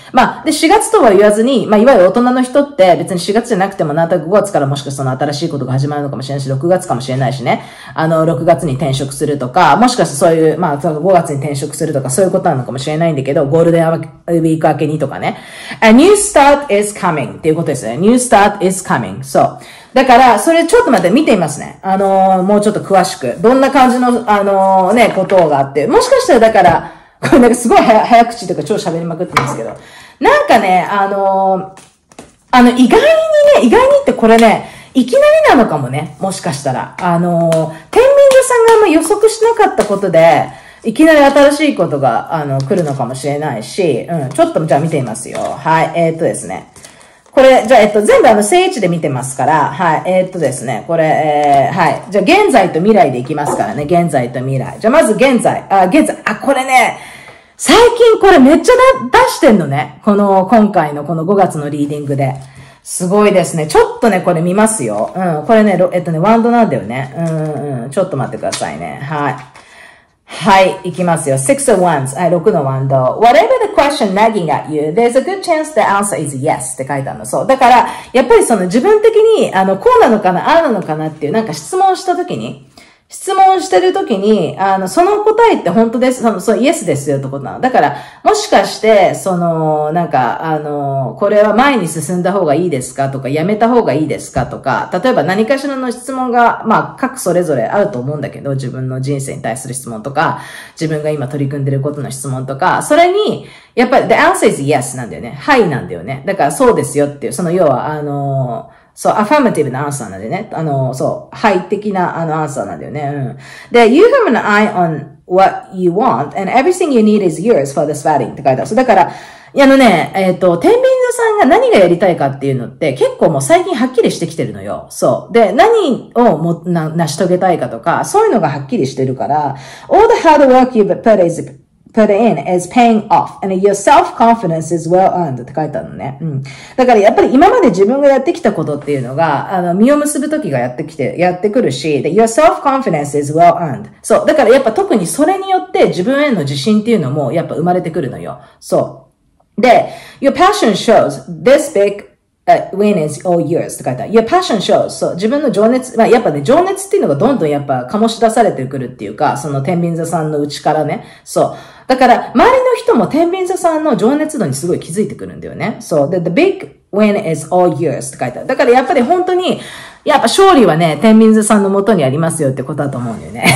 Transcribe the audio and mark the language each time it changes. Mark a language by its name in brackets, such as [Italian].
[Japanese] まあ、で、4月とは言わずに、まあ、いわゆる大人の人って、別に4月じゃなくても、なんとか5月からもしかしたら新しいことが始まるのかもしれないし、6月かもしれないしね。 6月に転職するとか、もしかしたらそういう、まあ、5月に転職するとか、そういうことなのかもしれないんだけど、ゴールデンウィーク明けにとかね。 [English] A new start is coming [Japanese] っていうことですね。 [English] New start is coming。 [Japanese] そう。だから、それちょっと待って、見てみますね。もうちょっと詳しく。どんな感じの、ね、ことがあって。もしかしたら、だから、これなんかすごい早口とか超喋りまくってますけど。なんかね、意外にね、意外にってこれね、いきなりなのかもね、もしかしたら。天秤座さんがあんま予測しなかったことで、いきなり新しいことが、来るのかもしれないし、うん、ちょっとじゃあ見てみますよ。はい、ですね。これ、じゃあ、全部正位置で見てますから、はい、ですね、これ、はい。じゃあ、現在と未来でいきますからね、現在と未来。じゃあ、まず現在、あ、これね、最近これめっちゃ出してんのね。この、今回のこの5月のリーディングで。すごいですね。ちょっとね、これ見ますよ。うん、これね、ね、ワンドなんだよね。ちょっと待ってくださいね。はい。はい、いきますよ。Six of Wands。はい、6のワンド。 [English] Whatever the question nagging at you, there's a good chance the answer is yes [Japanese] って書いてあるの。そう。だから、やっぱりその自分的に、こうなのかな、ああなのかなっていう、なんか質問したときに、質問してるときに、その答えって本当です。その、yes ですよってことなの。だから、もしかして、その、なんか、これは前に進んだ方がいいですかとか、やめた方がいいですかとか、例えば何かしらの質問が、まあ、各それぞれあると思うんだけど、自分の人生に対する質問とか、自分が今取り組んでることの質問とか、それに、やっぱり、 [English] the answer is yes [Japanese] なんだよね。はいなんだよね。だから、そうですよっていう、その要は、そう、アファーマティブなアンサーなんでね。そう、はい的なアンサーなんだよね。うん。 [English] で、you have an eye on what you want, and everything you need is yours for this wedding [Japanese] って書いてある。そう、だから、いや、あのね、天秤座さんが何がやりたいかっていうのって、結構もう最近はっきりしてきてるのよ。そう。で、何をも、成し遂げたいかとか、そういうのがはっきりしてるから、 [English] All the hard work you've put in is paying off, and your self-confidence is well earned [Japanese] って書いてあるのね。うん。だからやっぱり今まで自分がやってきたことっていうのが、実を結ぶ時がやってくるし、で、 [English] your self-confidence is well earned。 [Japanese] そう。だからやっぱ特にそれによって自分への自信っていうのもやっぱ生まれてくるのよ。そう。 [English] で、your passion shows this big win is all yours [Japanese] って書いてある。 [English] your passion shows、 [Japanese] そう、自分の情熱、まあやっぱね、情熱っていうのがどんどんやっぱ醸し出されてくるっていうか、その天秤座さんの内からね、そう。だから周りの人も天秤座さんの情熱度にすごい気づいてくるんだよね。そう、で、 [English] the big win is all yours [Japanese] って書いてある。だからやっぱり本当に、やっぱ勝利はね、天秤座さんの元にありますよってことだと思うんだよね。